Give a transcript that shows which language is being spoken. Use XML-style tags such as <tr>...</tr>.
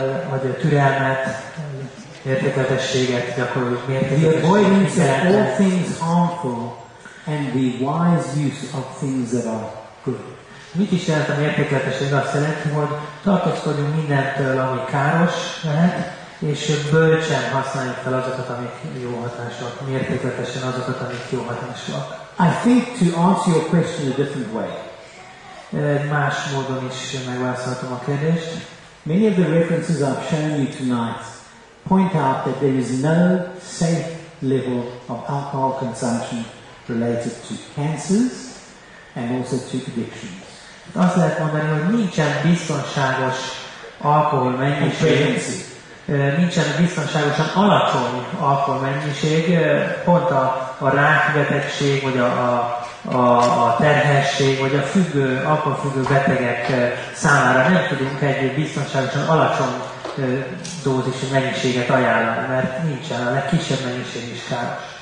<hu>Vagy a türelmet, mértékletességet gyakorolunk, mértékletességet.</hu> <en>All things harmful and the wise use of things that are good.</en> <hu>Mit is jelent a mértékletesség? Azt jelenti, hogy tartózkodjunk mindentől, ami káros lehet, és bölcsen használjuk fel azokat, amik jó hatásúak. Mértékletesen azokat, amik jó hatásúak.</hu> <en>I think to answer your question a different way.</en> <hu>Más módon is megválaszolhatom a kérdést.</hu> <en>Many of the references I've shown you tonight point out that there is no safe level of alcohol consumption related to cancers and also to addictions.</en> <hu>Azt lehet mondani, hogy nincsen biztonságos alkohol mennyiség. Nincsen biztonságosan alacsony alkohol mennyiség, pont a rákbetegség, vagy a terhesség, vagy a függő, alkoholfüggő betegek számára nem tudunk egy biztonságosan alacsony dózisú mennyiséget ajánlani, mert nincsen a legkisebb mennyiség is káros.</hu>